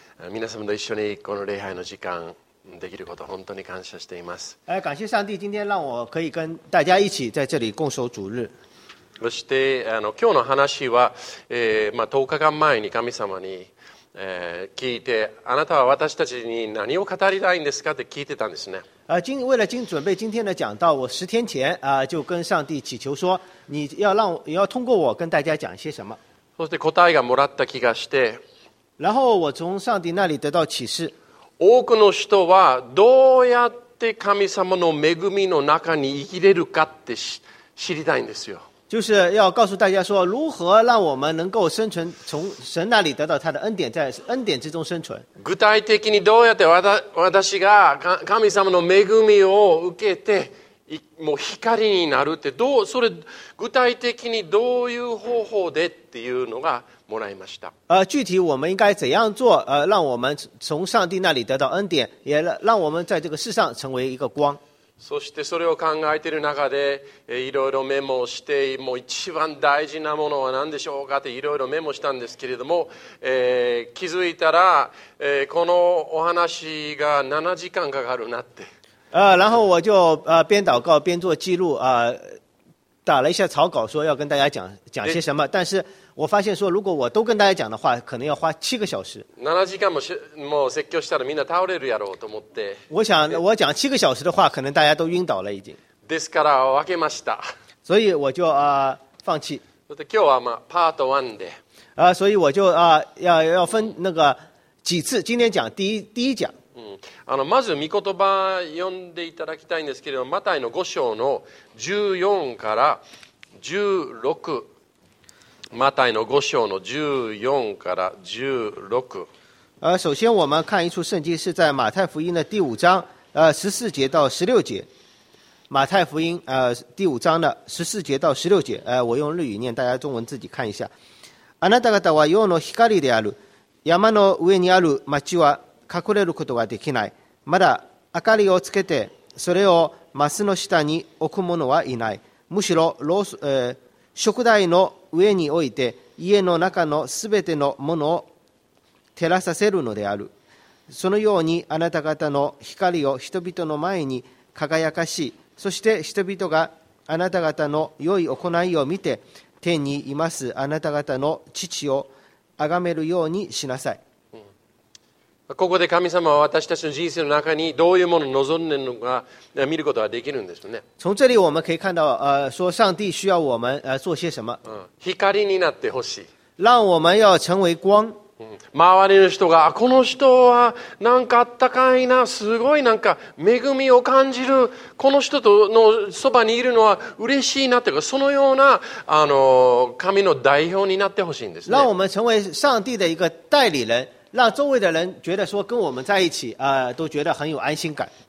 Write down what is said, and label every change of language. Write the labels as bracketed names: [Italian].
[Japanese] 皆様と一緒にこの礼拝の時間できること本当に感謝しています。 [Chinese] 感謝上帝今天让我可以跟大家一起在这里共守主日。 [Japanese] そしてあの今日の話は、10日間前に神様に、聞いて、あなたは私たちに何を語りたいんですかって聞いてたんですね。 [Chinese] 为了准备今天的讲道，我十天前就跟上帝祈求说，你要让你要通过我跟大家讲些什么。 [Japanese] そして答えがもらった気がして。 [Chinese] 然后我从上帝那里得到启示。 [Japanese] 多くの人はどうやって神様の恵みの中に生きれるかって知りたいんですよ。 [Chinese] 就是要告诉大家说，如何让我们能够生存，从神那里得到他的恩典，在恩典之中生存。 [Japanese] 具体的にどうやって私が神様の恵みを受けて、もう光になるってどう、それ具体的にどういう方法でっていうのがもらいました。 [Chinese] 具体我们应该怎样做？让我们从上帝那里得到恩典，也让我们在这个世上成为一个光。 [Japanese] そしてそれを考えている中でいろいろメモをして、もう一番大事なものは何でしょうかっていろいろメモしたんですけれども、気づいたら、このお話が7時間かかるなって。 [Chinese] 然后我就边祷告边做记录，打了一下草稿说要跟大家 讲些什么，但是我发现说如果我都跟大家讲的话可能要花七个小时。 [Japanese] 7時間 もう説教したらみんな倒れるやろうと思って、 [Chinese] 我想我讲七个小时的话可能大家都晕倒了已经。 [Japanese] ですから分けました。 [Chinese] 所以我就放弃。 [Japanese] 今日は、パート1で、 [Chinese] 所以我就、要分那个几次，今天讲第一讲。 [Japanese] まず御言葉読んでいただきたいんですけれども、マタイの5章の14から16、マタイの5章の14から16。 [Chinese] 首先我们看一处圣经，是在马太福音的第5章14节到16节。马太福音第5章的14节到16节，我用日语念，大家中文自己看一下。 [Japanese] あなた方は世の光である。山の上にある町は隠れることができない。まだ明かりをつけてそれをマスの下に置く者はいない。むしろ燭台の上に置いて家の中のすべてのものを照らさせるのである。そのようにあなた方の光を人々の前に輝かし、そして人々があなた方の良い行いを見て天にいますあなた方の父を崇めるようにしなさい。ここで神様は私たちの人生の中にどういうものを望んでいるのか見ることができるんですよね。 [Chinese] 从这里我们可以看到，说上帝需要我们做些什么。 [Japanese] 光になってほしい。 [Chinese] 让我们要成为光。 [Japanese] 周りの人がこの人はなんかあったかいな、すごいなんか恵みを感じる、この人とのそばにいるのは嬉しいなというか、そのような神の代表になってほしいんですね。 [Chinese] 让我们成为上帝的一个代理人。让周围的人觉得说跟我们在一起，都觉得很有安心感。